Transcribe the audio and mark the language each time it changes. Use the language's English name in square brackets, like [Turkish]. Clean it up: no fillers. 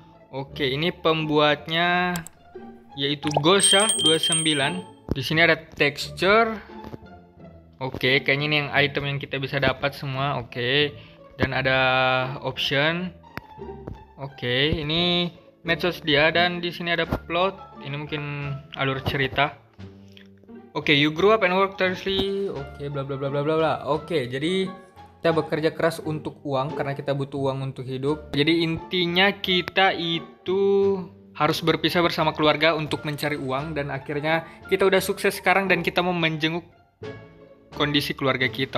[Indonesian] Oke, ini pembuatnya yaitu Gosha29. Di sini ada texture. Oke, kayaknya ini yang item yang kita bisa dapat semua. Oke, dan ada option. Oke, ini medsos dia dan di sini ada plot. Ini mungkin alur cerita. [English] Oke, okay, you grew up and work tirelessly. [Indonesian] Oke, okay, bla bla bla bla bla. Oke, okay, jadi kita bekerja keras untuk uang karena kita butuh uang untuk hidup. Jadi intinya kita itu harus berpisah bersama keluarga untuk mencari uang dan akhirnya kita udah sukses sekarang dan kita mau menjenguk kondisi keluarga kita.